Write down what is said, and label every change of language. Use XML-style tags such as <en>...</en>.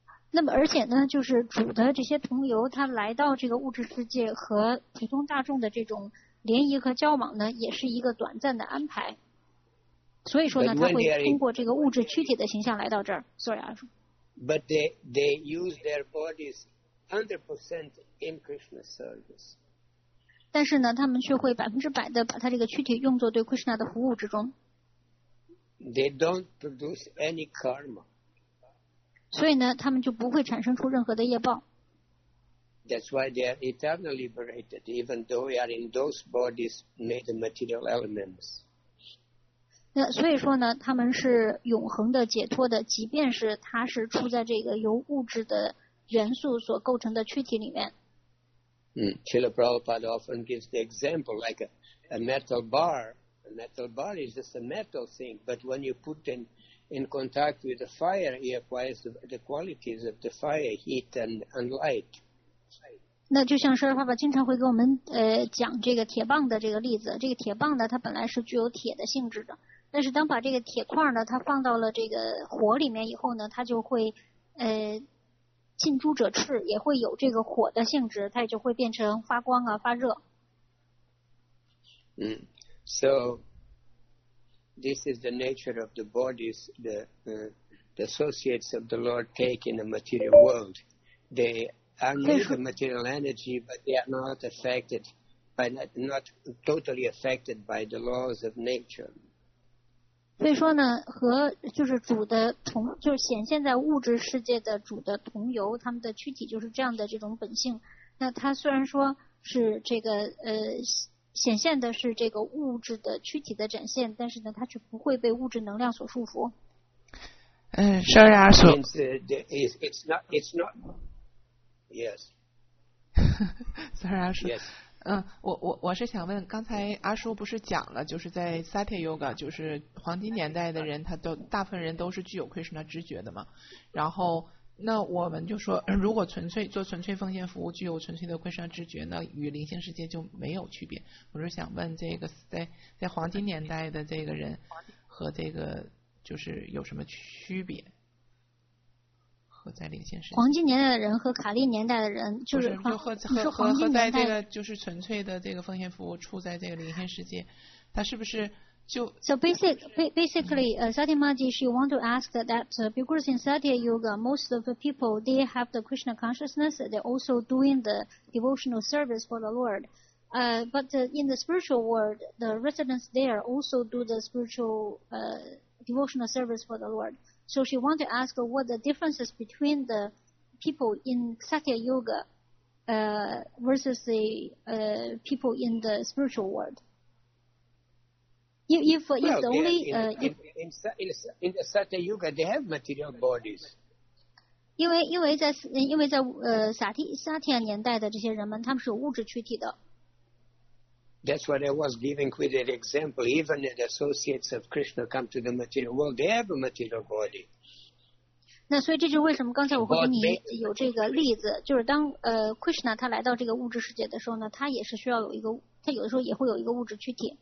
<zh>那么而且呢，就是主的这些同游，他来到这个物质世界和普通大众的这种联谊和交往呢，也是一个短暂的安排。所以说呢，他会通过这个物质躯体的形象来到这儿。</zh> <en>Sorry, Arjun. But they use their bodies. 100% in Krishna service.</en> <zh>但是呢，他们却会百分之百的把他这个躯体用作对 Krishna 的服务之中。</zh> <en>They don't produce any karma.</en> <zh>所以呢，他们就不会产生出任何的业报。</zh> <en>That's why they are eternally liberated, even though they are in those bodies made of material elements.</en> <zh>那所以说呢，他们是永恒的解脱的，即便是他是处在这个由物质的。元素所构成的躯体里面。</zh> <en>Srila Prabhupada often gives the example like a metal bar. A metal bar is just a metal thing, but when you put it in contact with the fire, it acquires the qualities of the fire, heat and light.</en> <zh>那就像是爸爸经常会给我们讲这个铁棒的这个例子。这个铁棒呢，它本来是具有铁的性质的，但是当把这个铁块呢，它放到了这个火里面以后呢，它就会近朱者赤，也会有这个火的性质，它也就会变成发光啊，发热。</zh> <en>So this is the nature of the bodies the associates of the Lord take in the material world. They are made of material energy, but they are not affected by not totally affected by the laws of nature.</en> <zh>所以说呢，和就是主的同，就是显现在物质世界的主的同游，他们的躯体就是这样的这种本性。那他虽然说是这个显现的是这个物质的躯体的展现，但是呢，他却不会被物质能量所束缚。</zh> <en>Sorry, Arjun. It's not. Yes. Sorry, Arjun. Yes.</en> <zh>我是想问，刚才阿叔不是讲了，就是在 Satya Yoga， 就是黄金年代的人，他都大部分人都是具有 Krishna 直觉的嘛。然后那我们就说，如果纯粹做纯粹奉献服务，具有纯粹的 Krishna 直觉，那与灵性世界就没有区别。我是想问，这个在黄金年代的这个人和这个就是有什么区别？在灵性世界，黄金年代的人和卡利年代的人，就是和在这个就是纯粹的这个奉献服务处在这个灵性世界，他是不是就</zh> <en>？So basically, Satya Maji, she want to ask that because in Satya Yoga, most of the people they have the Krishna consciousness, they also doing the devotional service for the Lord. In the spiritual world, the residents there also do the spiritual devotional service for the Lord. So she wanted to ask what the differences between the people in Satya Yoga versus the people in the spiritual world. If only in Satya Yuga they have material bodies.</en> <zh>因为在萨提亚年代的这些人们，他们是有物质躯体的。</zh> <en>That's what I was giving with that example. Even the associates of Krishna come to the material world, they have a material body.</en> <zh>那所以这就是为什么刚才我会给你有这个例子，就是当Krishna 他来到这个物质世界的时候呢，他也是需要有一个，他有的时候也会有一个物质躯体。</zh>